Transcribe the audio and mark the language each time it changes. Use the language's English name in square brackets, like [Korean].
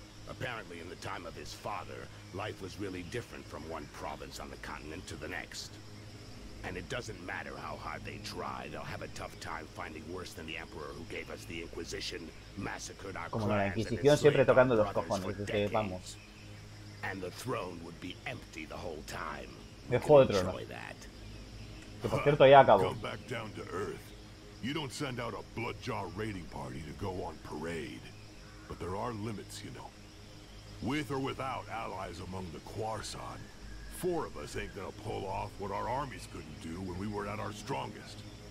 [English] Apparently, in the time of his father, life was really different from one province on the continent to the next. And it doesn't matter how hard they try, they'll have a tough time finding worse than the Emperor who gave us the Inquisition, massacred our clans, [Spanish] la Inquisición siempre tocando los cojones, desde que vamos. [English] And the throne would be empty the whole time. [Spanish] Me jode el trono. Que por cierto ya acabó. [English] Come back down to Earth. You don't send out a Bloodjaw raiding party to go on parade. But there are limits, you know. With or without allies among the Quarsan, four of us ain't gonna pull off what our armies couldn't do when we were at our strongest.